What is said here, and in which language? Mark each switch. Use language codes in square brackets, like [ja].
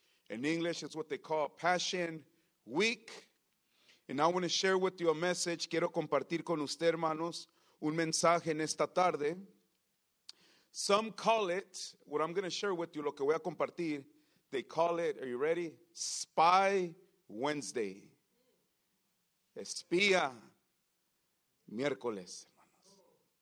[en] In English, it's what they call Passion Week. And I want to share with you a message. [es] Quiero compartir con usted, hermanos, un mensaje en esta tarde. [en] Some call it, what I'm going to share with you, [es] lo que voy a compartir, [en] they call it, are you ready? Spy Wednesday. [es] Espía miércoles, hermanos.